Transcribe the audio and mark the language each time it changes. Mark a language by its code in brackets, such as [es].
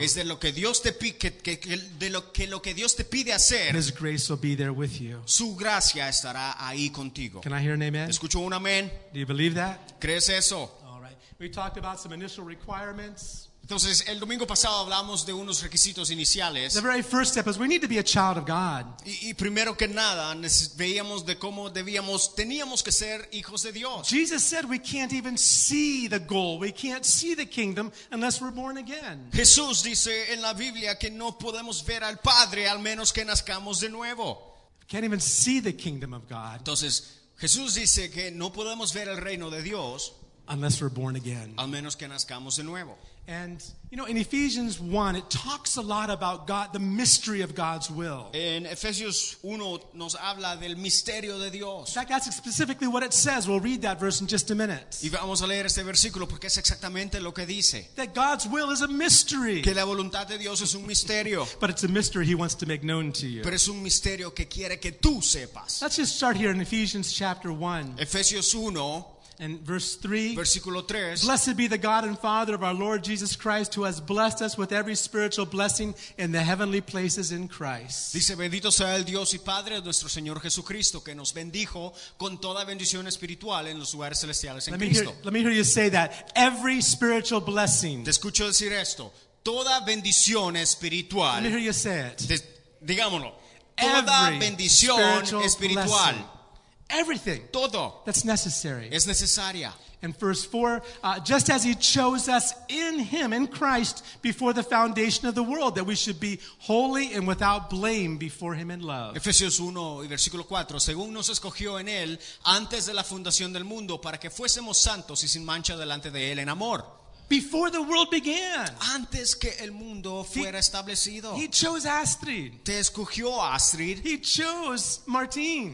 [es] Es de lo que Dios te pide que Dios te pide hacer. [en] His grace will be there with you. [es] Su gracia estará ahí contigo. [en] Can I hear an amen? [es] ¿Escucho un amén? [en] Do you believe that? [es] ¿Crees eso? [en] All right. We talked about some initial requirements. [es] Entonces, el domingo pasado hablamos de unos requisitos iniciales. [en] The very first step is we need to be a child of God. [es] Y primero que nada, veíamos de cómo teníamos que ser hijos de Dios. [en] Jesus said we can't even see the goal, we can't see the kingdom unless we're born again. [es] Jesús dice en la Biblia que no podemos ver al Padre al menos que nazcamos de nuevo. [en] Can't even see the kingdom of God. [es] Entonces, Jesús dice que no podemos ver el reino de Dios [en] unless we're born again. [es] Al menos que nazcamos de nuevo. [en] And you know, in Ephesians 1, it talks a lot about God, the mystery of God's will. [es] En Efesios 1 nos habla del misterio de Dios. [en] In fact, that's specifically what it says. We'll read that verse in just a minute. [es] Y vamos a leer este versículo porque es exactamente lo que dice. [en] That God's will is a mystery. [es] Que la voluntad de Dios es un misterio. [en] But it's a mystery He wants to make known to you. [es] Pero es un misterio que quiere que tú sepas. [en] Let's just start here in Ephesians chapter 1. [es] Efesios 1. [en] And verse 3, [es] versículo 3, [en] blessed be the God and Father of our Lord Jesus Christ, who has blessed us with every spiritual blessing in the heavenly places in Christ. [es] Dice, bendito sea el Dios y Padre de nuestro Señor Jesucristo, que nos bendijo con toda bendición espiritual en los lugares celestiales en Cristo. [en] Let me hear you say that. Every spiritual blessing. [es] Te escucho decir esto. Toda bendición espiritual. [en] Let me hear you say it. [es] Digámoslo. [en] Every [es] toda bendición [en] spiritual [es] espiritual. [en] Blessing. Everything [es] todo [en] that's necessary [es] es necesaria. [en] In verse 4, just as He chose us in Him, in Christ, before the foundation of the world, that we should be holy and without blame before Him in love. [es] Efesios 1 y versículo 4, según nos escogió en Él antes de la fundación del mundo para que fuésemos santos y sin mancha delante de Él en amor. [en] Before the world began. [es] Antes que el mundo fuera establecido. [en] He chose Astrid. [es] Te escogió Astrid. [en] He chose Martín.